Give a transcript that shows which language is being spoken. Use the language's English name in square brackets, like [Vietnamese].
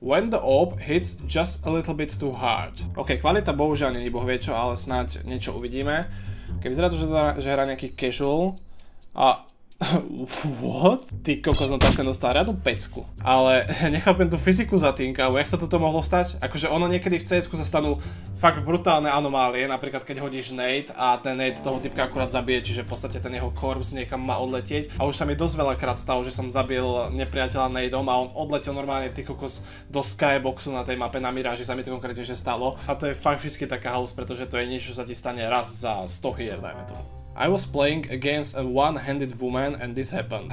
[English] When the orb hits just a little bit too hard. [Slovak] Ok, kvalita bohužiaľ není boh vie čo, ale snáď niečo uvidíme. Keď vyzerá to, že hrá nejaký casual a... [English] What? [Slovak] Ty kokos, no takhle dostal riadnu pecku. Ale nechápem tú fyziku za tým, kávo, jak sa toto mohlo stať? Akože ono niekedy v CS-ku sa stanú fakt brutálne anomálie, napríklad keď hodíš nade a ten nade toho typka akurát zabije, čiže v podstate ten jeho korps niekam má odletieť. A už sa mi dosť veľakrát stalo, že som zabil nepriateľa nadeom a on odletel normálne ty kokos do skyboxu na tej mape na Miráži, sa mi to konkrétne že stalo. A to je fakt vždy taká halus, pretože to je niečo, čo sa ti stane raz za 100 hier, dajme tomu. [English] I was playing against a one-handed woman and this happened.